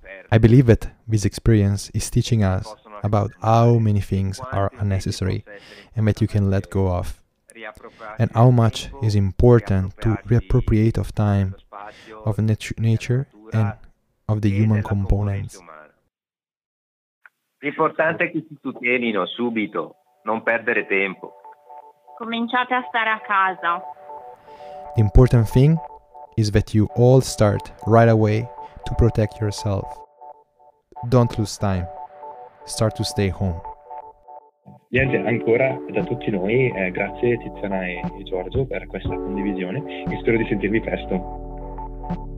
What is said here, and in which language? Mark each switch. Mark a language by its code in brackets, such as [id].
[en] I believe that this experience is teaching us about how many things are unnecessary and that you can let go of, and how much is important to reappropriate of time, of nature, and of the human components. [it] L'importante è che si tutelino subito, non perdere tempo. Cominciate a stare a casa. [en] The important thing is that you all start right away to protect yourself. Don't lose time. Start to stay home. [it] Niente, ancora da tutti noi, grazie Tiziana e Giorgio per questa condivisione e spero di sentirvi presto.